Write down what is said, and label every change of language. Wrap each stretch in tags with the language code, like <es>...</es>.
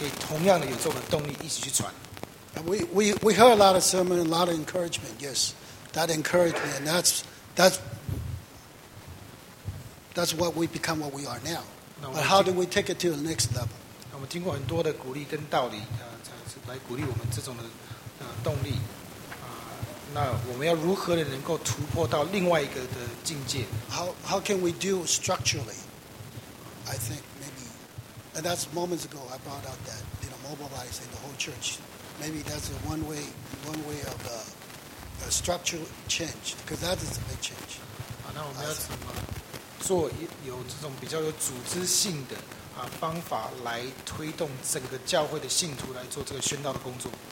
<zh>我想说在我们刚刚讨论的题目当中这个传福音的最大的动力是什么那我们刚才已经讨论了有些的信这个宣道的工作的信徒可以把他们的动力可以也去传到另外的信徒像那另外的信徒也可以同样的有这种的动力一起去传</zh> <en>We heard a lot of sermon, a lot of encouragement, yes. That encouragement, and that's what we become what we are now. But how do we take it to the next level?</en> <zh>我们听过很多的鼓励跟道理来鼓励我们这种的动力那我们要如何能够突破到另外一个的境界?</zh> <en>How can we do structurally? I think maybe, and that's moments ago I brought out that, you know, mobilizing the whole church. Maybe that's one way of a structural change, because that is a big change.</en> <zh>那我们要怎么做有这种比较有组织性的方法来推动整个教会的信徒来做这个宣道的工作?</zh>